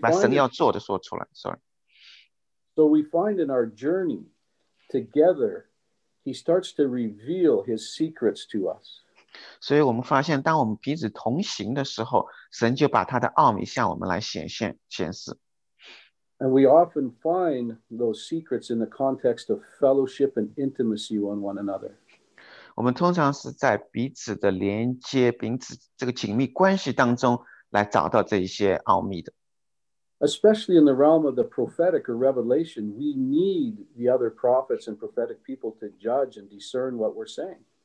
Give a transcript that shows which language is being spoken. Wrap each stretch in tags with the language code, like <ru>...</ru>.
<zh>把神要做的说出来，</zh> <en>sorry。 So we find in our journey together, he starts to reveal his secrets to us.</en> <zh>所以我们发现当我们彼此同行的时候，神就把他的奥秘向我们来显示。</zh> <en>And we often find those secrets in the context of fellowship and intimacy with one another.</en> <zh>我们通常是在彼此的连接，彼此这个紧密关系当中来找到这一些奥秘的。</zh> <en>Especially in the realm of the prophetic or revelation, we need the other prophets and prophetic people to judge and discern what we're saying.</en>